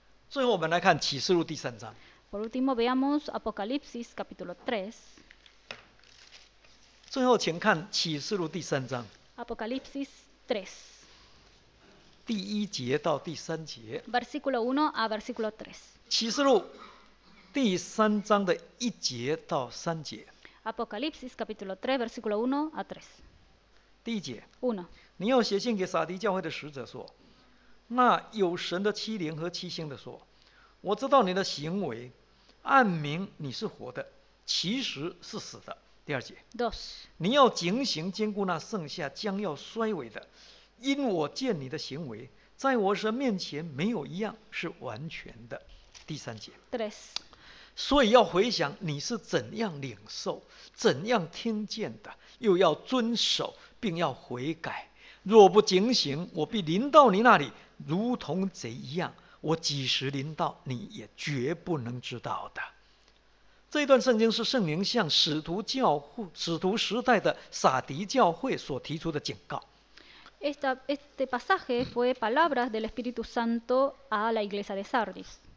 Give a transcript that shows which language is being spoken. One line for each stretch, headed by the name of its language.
Chinese: 最后我们来看启示录第三章。
Spanish: Por último, veamos Apocalipsis capítulo 3.
Chinese: 最后请看启示录第三章。
Spanish: Apocalipsis 3.
Chinese: 第一节到第三节。
Spanish: Versículo 1 a versículo 3.
Chinese: 启示录第三章的一节到三节。
Spanish: Apocalipsis capítulo 3, versículo 1 a 3.
Chinese: 第一节。
Spanish: 1.
Chinese: 你要写信给撒迪教会的使者说, 那有神的七灵和七星的说, 我知道你的行为, 按明你是活的,其实是死的。第二节。
Spanish: 2.
Chinese: 你要警醒兼顾那剩下将要衰微的, 因我见你的行为, 在我神面前没有一样是完全的。第三节。
Spanish: 3.
Chinese: 所以要回想你是怎样领受, 怎样听见的, 又要遵守, 并要悔改。若不警醒, 我必临到你那里, 如同贼一样。我几时临到，你也绝不能知道的。这段圣经是圣灵向使徒时代的撒迪教会所提出的警告。
Spanish: Este pasaje fue palabras del Espíritu Santo a la iglesia de Sardis.